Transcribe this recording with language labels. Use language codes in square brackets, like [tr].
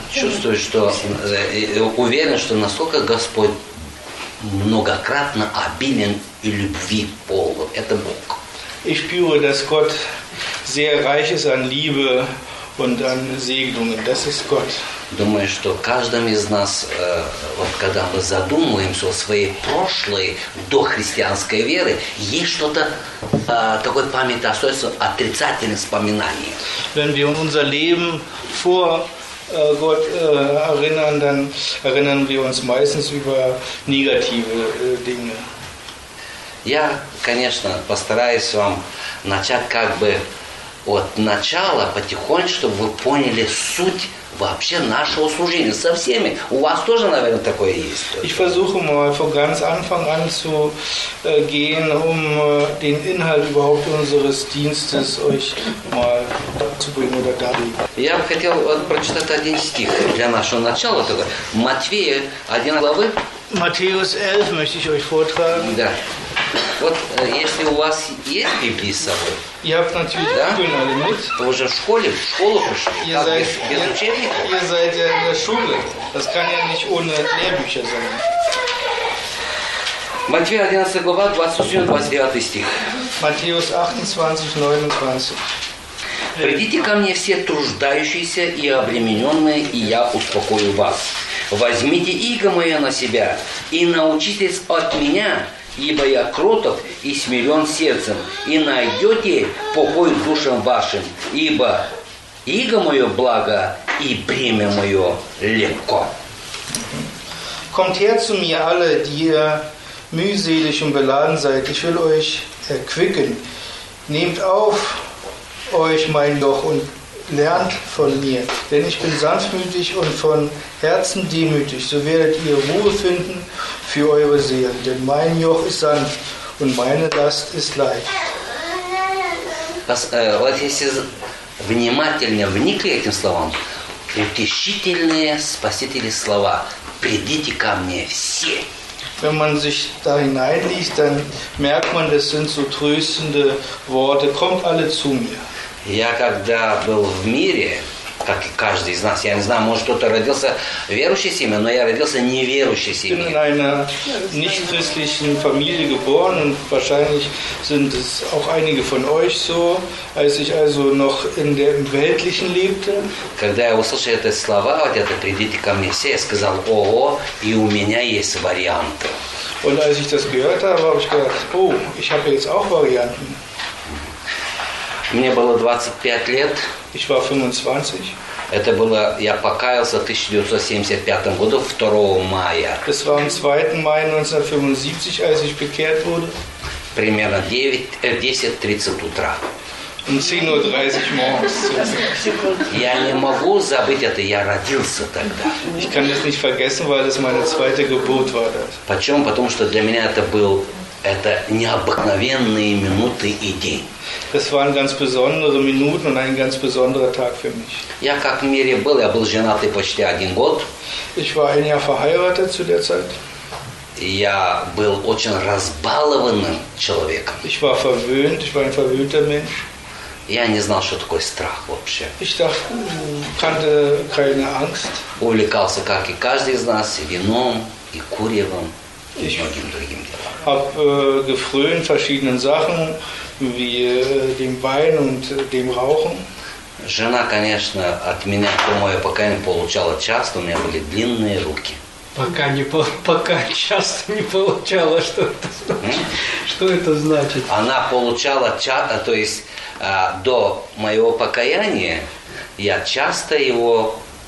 [ru] Чувствую, что уверен, что насколько Господь многократно обилен и любви полон. Это Бог. [de] Ich spüre, dass Gott sehr reich ist an Liebe und an Segnungen. Das ist Gott. [ru] Думаю, что каждому из нас, вот когда мы задумываемся о своей прошлой дохристианской вере, есть что-то такое память остается отрицательное вспоминание. [de] Wenn wir unser Leben vor Gott erinnern, dann erinnern wir uns meistens über negative Dinge. [ru] Я, конечно, постараюсь вам начать как бы от начала потихоньку, чтобы вы поняли суть вообще нашего служения со всеми. У вас тоже, наверное, такое есть. [de] Ich versuche mal von ganz Anfang an zu gehen, den Inhalt überhaupt unseres Dienstes euch mal zu bringen oder darlegen. [ru] Я бы хотел прочитать один стих для нашего начала такой. Матфея, 1 главы. [de] Matthäus 11 möchte ich euch vortragen. [ru] Да. Вот если у вас есть Библия с собой, я бы натюрьте, да? Вы надо иметь. Вы уже в школе, в школу пришли, [de] ihr seid, [ru] без учебников. [de] Ihr seid ja in der Schule, das kann ja nicht ohne Lehrbücher sein. [ru] Матфея 11 глава, 27-29 стих. [de] Matthäus 28-29. [ru] «Придите ко мне все труждающиеся и обремененные, и я успокою вас. Возьмите иго мое на себя и научитесь от меня, ибо я кроток и смирен сердцем, и найдете покой душам вашим, ибо иго мое благо и бремя мое легко». [de] Kommt her zu mir alle, die ihr mühselig und beladen seid, ich will euch erquicken. Nehmt auf euch mein Joch und lernt von mir, denn ich bin sanftmütig und von Herzen demütig, so werdet ihr Ruhe finden für eure Seelen, denn mein Joch ist sanft und meine Last ist leicht. [ru] Вот если внимательно вникли этим словам, утешительные, спасительные слова, придите ко мне все. [de] Wenn man sich da hineinliest, dann merkt man, das sind so tröstende Worte, kommt alle zu mir. [ru] Я когда был в мире, как и каждый из нас, я не знаю, может кто-то родился в верующей семье, но я родился в неверующей семье. [de] Ich bin in einer nicht-christlichen Familie geboren und wahrscheinlich sind es auch einige von euch so, als ich also noch in der weltlichen lebte. [ru] Когда я услышал эти слова, вот это «придите ко мне все», я сказал: «Ого, и у меня есть варианты». [de] Und als ich das gehört habe, habe ich gedacht: «Oh, ich habe jetzt auch Varianten». [ru] Мне было 25 лет. [de] Ich war 25. [ru] Это было, я покаялся в 1975 году, 2 мая. [de] Das war am 2. Mai 1975, als ich bekehrt wurde. [ru] Примерно 10:30 утра. [de] Um 10:30 morgens. [ru] Я не могу забыть это, я родился тогда. [de] Ich kann das nicht vergessen, weil das meine zweite Geburt war. [ru] Почему? Потому что для меня это был... Это необыкновенные минуты и день. [de] Das waren ganz besondere Minuten und ein ganz besonderer Tag für mich. [ru] Я как в мире был, я был женатый почти один год. [de] Ich war ein Jahr verheiratet zu der Zeit. [ru] Я был очень разбалованным человеком. [de] Ich war verwöhnt, ich war ein verwöhnter Mensch. [ru] Я не знал, что такое страх вообще. [de] Ich dachte, kannte keine Angst. [ru] Увлекался, как и каждый из нас, вином и куревом. [de] Ich habe gefrönt verschiedenen Sachen, wie dem Wein und dem Rauchen. [ru] Жена, конечно, от меня то мое пока не получала часто, у меня были длинные руки. Пока часто не получала, что это значит? Что это значит? Она получала часто, то есть до моего покаяния я часто его...